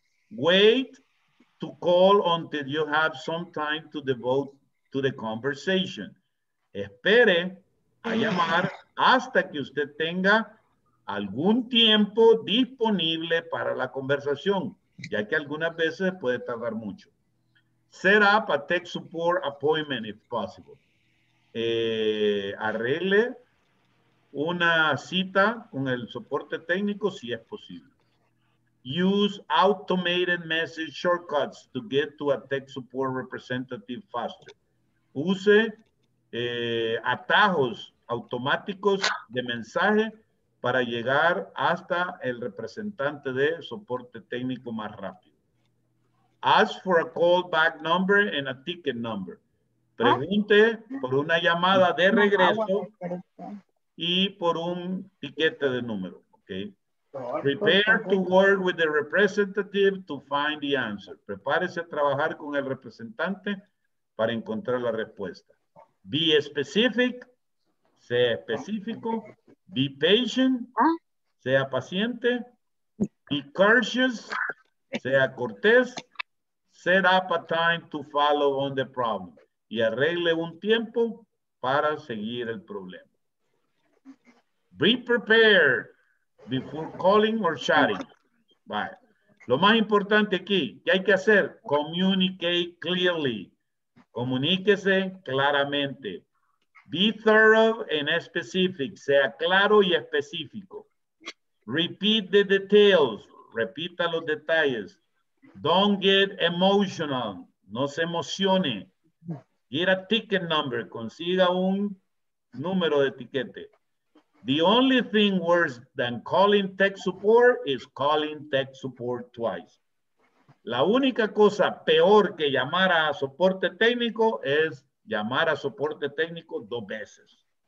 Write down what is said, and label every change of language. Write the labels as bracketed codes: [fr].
[en] Wait to call until you have some time to devote to the conversation. [es] Espere a llamar hasta que usted tenga algún tiempo disponible para la conversación, ya que algunas veces puede tardar mucho. [en] Set up a tech support appointment if possible. [es] Arregle una cita con el soporte técnico si es posible. [en] Use automated message shortcuts to get to a tech support representative faster. [es] Use atajos automáticos de mensaje para llegar hasta el representante de soporte técnico más rápido. [en] Ask for a call back number and a ticket number. [es] Pregunte por una llamada de regreso y por un tiquete de número. [en] Okay. Prepare to work with the representative to find the answer. [es] Prepárese a trabajar con el representante para encontrar la respuesta. [en] Be specific, [es] sea específico. [en] Be patient, [es] sea paciente. [en] Be courteous, [es] sea cortés. [en] Set up a time to follow on the problem. [es] Y arregle un tiempo para seguir el problema. [en] Be prepared before calling or chatting. Bye. [es] Lo más importante aquí, ¿qué hay que hacer? [en] Communicate clearly. [es] Comuníquese claramente. [en] Be thorough and specific. [es] Sea claro y específico. [en] Repeat the details. [es] Repita los detalles. [en] Don't get emotional. [es] No se emocione. [en] Get a ticket number. [es] Consiga un número de tiquete. [en] The only thing worse than calling tech support is calling tech support twice. [es] La única cosa peor que llamar a soporte técnico es llamar a soporte técnico dos veces.